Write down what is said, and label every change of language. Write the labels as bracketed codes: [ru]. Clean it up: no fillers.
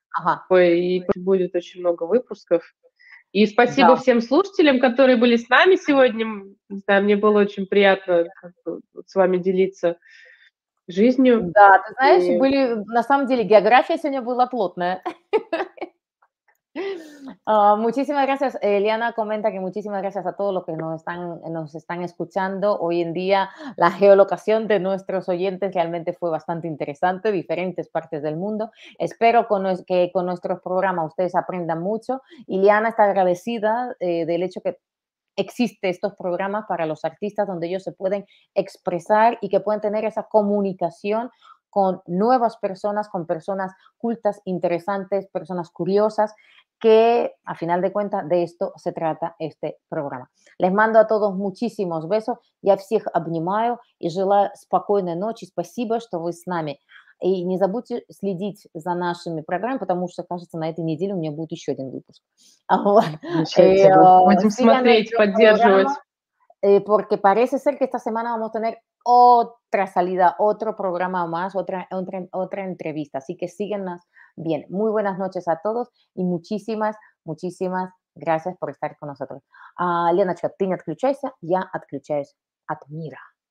[ru] Ага. И будет очень много выпусков. И спасибо всем слушателям, которые были с нами сегодня. Не знаю, мне было очень приятно с вами делиться жизнью. Да, ты знаешь, были, на самом деле, география сегодня была плотная. [es] Muchísimas gracias, Eliana comenta que muchísimas gracias a todos los que nos están escuchando hoy en día. La geolocación de nuestros oyentes realmente fue bastante interesante, diferentes partes del mundo. Espero que con nuestros programas ustedes aprendan mucho. Eliana está agradecida del hecho que existen estos programas para los artistas donde ellos se pueden expresar y que pueden tener esa comunicación con nuevas personas, con personas cultas, interesantes, personas curiosas, que a final de cuentas de esto se trata este programa. Les mando a todos muchísimos besos. [ru] Я всех обнимаю и желаю спокойной ночи. Спасибо, что вы с нами. И не забудьте следить за нашими программами, потому что, кажется, на этой неделе у меня будет еще один выпуск. Будем смотреть, поддерживать. [es] Porque parece ser que esta semana vamos a tener otra salida, otro programa más, otra entrevista. Así que síguenos bien. Muy buenas noches a todos y muchísimas, muchísimas gracias por estar con nosotros. [ru] Леночка, ты не отключайся, я отключаюсь от мира.